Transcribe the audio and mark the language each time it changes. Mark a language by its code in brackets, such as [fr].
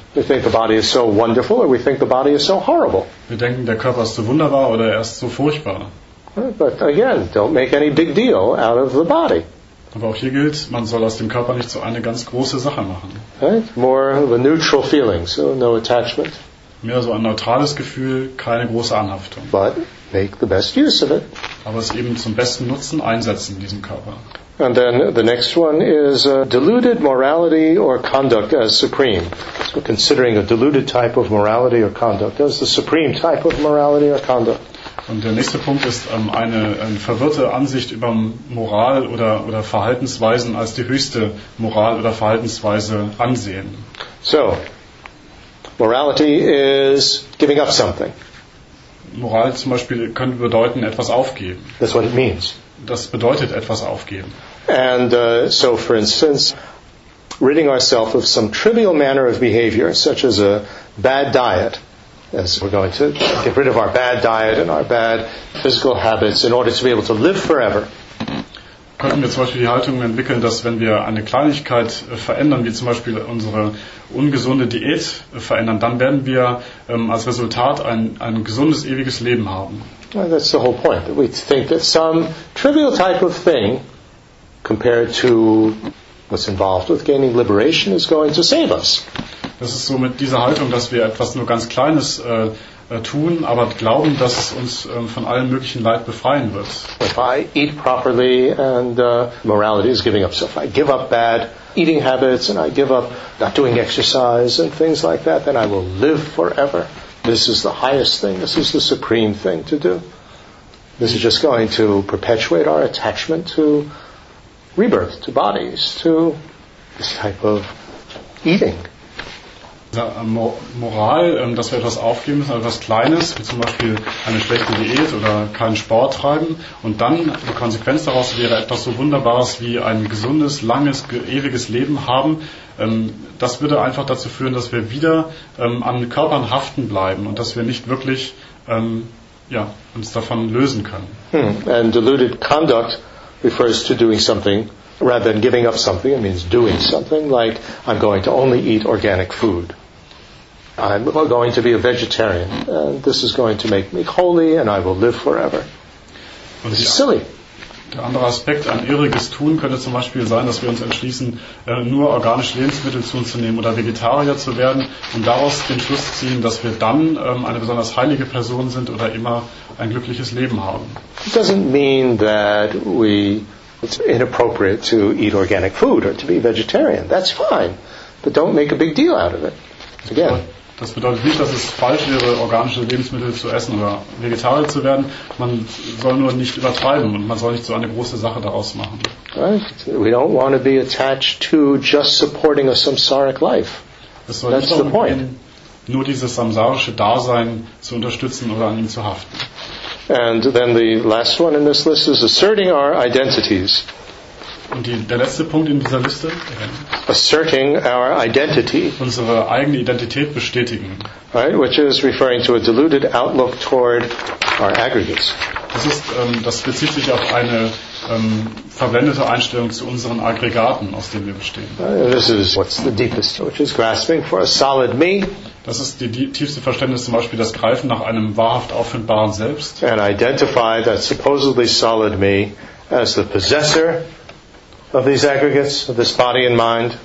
[en] We think the body is so wonderful, or we think the body is so horrible. [de] Wir denken, der Körper ist so wunderbar oder er ist so furchtbar. [en] But again, don't make any big deal out of the body. [de] Aber auch hier gilt, man soll aus dem Körper nicht so eine ganz große Sache machen. [en] Right? More of a neutral feeling, so no attachment. [de] Mehr so ein neutrales Gefühl, keine große Anhaftung. [en] But make the best use of it. [de] Aber es eben zum besten Nutzen einsetzen in diesem Körper. [en] And then the next one is a deluded morality or conduct as supreme. So considering a deluded type of morality or conduct as the supreme type of morality or conduct. [de] Und der nächste Punkt ist eine verwirrte Ansicht über Moral oder Verhaltensweisen als die höchste Moral oder Verhaltensweise ansehen. [en] So, morality is giving up something. [de] Moral zum Beispiel kann bedeuten etwas aufgeben. [en] That's what it means. [de] Das bedeutet etwas aufgeben. [en] And so, for instance, ridding ourselves of some trivial manner of behavior, such as a bad diet. As we're going to get rid of our bad diet and our bad physical habits in order to be able to live forever. [de] Könnten wir zum Beispiel die Haltung entwickeln, dass wenn wir eine Kleinigkeit verändern, wie zum Beispiel unsere ungesunde Diät verändern, dann werden wir als Resultat ein gesundes, ewiges Leben haben. [en] Well, that's the whole point. We think that some trivial type of thing compared to what's involved with gaining liberation is going to save us. [de] Das ist so mit dieser Haltung, dass wir etwas nur ganz Kleines tun, aber glauben, dass es uns von allem möglichen Leid befreien wird. [en] If I eat properly and morality is giving up, so if I give up bad eating habits and I give up not doing exercise and things like that, then I will live forever. This is the highest thing. This is the supreme thing to do. This is just going to perpetuate our attachment to rebirth, to bodies, to this type of eating. [de] Moral, dass wir etwas aufgeben müssen, etwas Kleines, wie zum Beispiel eine schlechte Diät oder keinen Sport treiben, und dann die Konsequenz daraus wäre etwas so Wunderbares wie ein gesundes, langes, ewiges Leben haben. Das würde einfach dazu führen, dass wir wieder an Körpern haften bleiben und dass wir nicht wirklich uns davon lösen können. [en] And deluded conduct refers to doing something rather than giving up something, it means doing something, like I'm going to only eat organic food. I'm going to be a vegetarian. And this is going to make me holy and I will live forever. It's silly. [de] Der andere Aspekt, ein irriges Tun, könnte zum Beispiel sein, dass wir uns entschließen, nur organische Lebensmittel zu uns zu nehmen oder Vegetarier zu werden und daraus den Schluss ziehen, dass wir dann eine besonders heilige Person sind oder immer ein glückliches Leben haben. [en] It doesn't mean that we... It's inappropriate to eat organic food or to be vegetarian. That's fine. But don't make a big deal out of it. Again. [de] Das bedeutet nicht, dass es falsch wäre, organische Lebensmittel zu essen oder Vegetarier zu werden. Man soll nur nicht übertreiben und man soll nicht so eine große Sache daraus machen. [en] Right. We don't want to be attached to just supporting a samsaric life. [de] Das soll nicht darum gehen, nur dieses samsarische Dasein zu unterstützen oder an ihm zu haften. [en] And then the last one in this list is asserting our identities. [de] Und der letzte Punkt in dieser Liste? [en] Asserting our identity. [de] Unsere eigene Identität bestätigen. [en] Right, which is referring to a deluded outlook toward our aggregates. [de] Das ist, das bezieht sich auf eine verblendete Einstellung zu unseren Aggregaten, aus denen wir bestehen. [en] This is what's the deepest, which is grasping for a solid me. [de] Das ist die tiefste Verständnis, zum Beispiel das Greifen nach einem wahrhaft auffindbaren Selbst. [en] And identify that supposedly solid me as the possessor of these aggregates, of this body and mind.